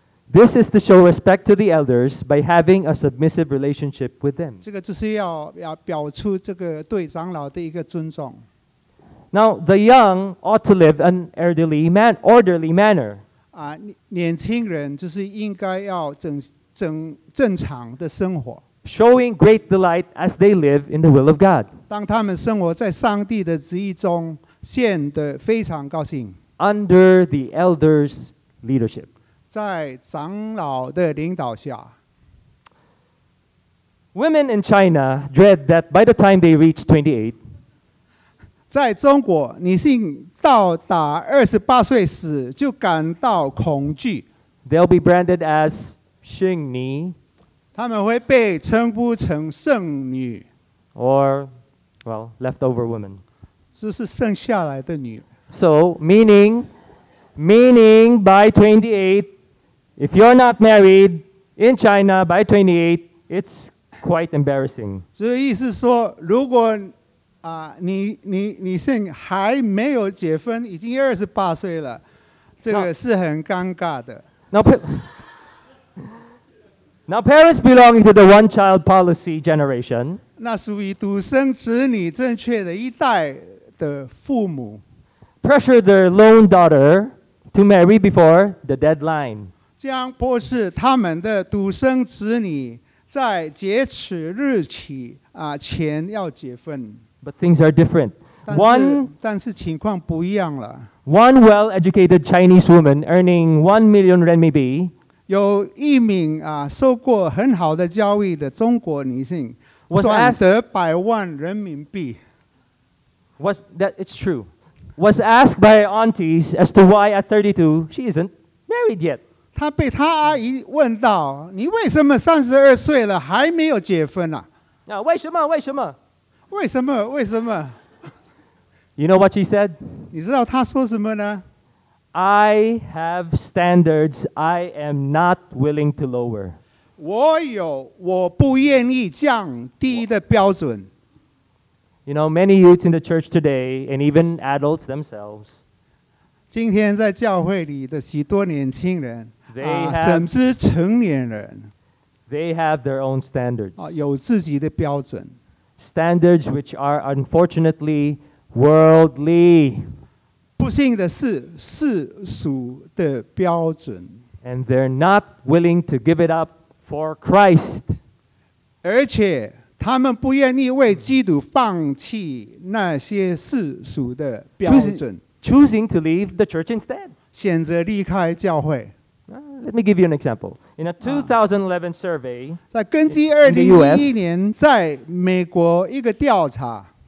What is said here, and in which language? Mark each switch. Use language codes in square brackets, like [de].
[en] This is to show respect to the elders by having a submissive relationship with them. [zh] 这个就是要表出这个对长老的一个尊重。 [en] Now, the young ought to live an orderly manner. [zh] 年轻人就是应该要正常的生活 [en] showing great delight as they live in the will of God. [zh] 当他们生活在上帝的旨意中，显得非常高兴 [en] Under the elders' leadership. [zh] 在长老的领导下 [en] Women in China dread that by the time they reach 28, [zh] 在中国，女性到达28岁时就感到恐惧 [en] They'll be branded as圣女， [zh] 他们会被称呼成圣女 [en] ，or well leftover woman， [zh] 这是剩下来的女。 [en] So meaning by 28, if you're not married in China by 28, it's quite embarrassing. [zh] 这意思说，如果你还没有结婚，已经28岁了，这个是很尴尬的。 [en] Now, parents belonging to the one-child policy generation, [zh] 那属于独生子女正确的一代的父母 [en] pressure their lone daughter to marry before the deadline. [zh] 将迫使他们的独生子女在截止日期前要结婚。 [en] But things are different. [zh] 但是情况不一样了。 [en] One well-educated Chinese woman earning 1 million renminbi. [zh] 有一名受过很好的教育的中国女性赚得百万人民币。 [en] It's true. Was asked by aunties as to why at 32 she isn't married yet. [zh] 她被她阿姨问到，你为什么32岁了还没有结婚啊？那为什么？为什么？为什么？为什么？ [en] You know what she said? [zh] 你知道她说什么呢？ [en] I have standards I am not willing to lower. [zh] 我有我不愿意降低的标准。 [en] You know, many youths in the church today, and even adults themselves, [zh] 今天在教会里的许多年轻人, [en] they have, [zh] 甚至成年人, [en] they have their own standards, [zh] 有自己的标准, [en] standards which are unfortunately worldly, [zh] 不幸的是世俗的标准, [en] and they're not willing to give it up for Christ, [zh] 而且他们不愿意为基督放弃那些世俗的标准。 [en] Choosing to leave the church instead. [zh] 选择离开教会。 [en] Let me give you an example. In a 2011 survey, [zh] 在根据2011年在美国一个调查。